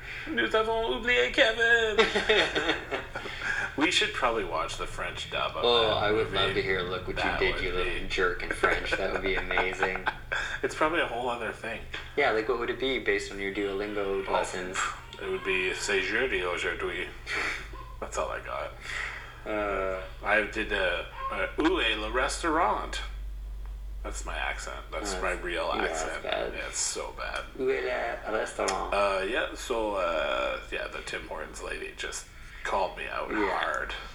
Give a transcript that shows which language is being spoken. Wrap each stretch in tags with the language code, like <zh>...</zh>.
<fr>Nous avons oublié Kevin.</fr> <en>We should probably watch the French dub of that. Oh, I would love to hear Look What You Did, You Little Jerk in French. That would be amazing. It's probably a whole other thing. Yeah, like what would it be based on your Duolingo lessons? It would be</en> <fr>C'est jeudi aujourd'hui.</fr> <en>That's all I got. I did a</en> <fr>Où est le restaurant?</fr> <en>That's my accent. That's my real accent. Bad. Yeah, it's so bad. Restaurant. So the Tim Hortons lady just called me out hard.</en>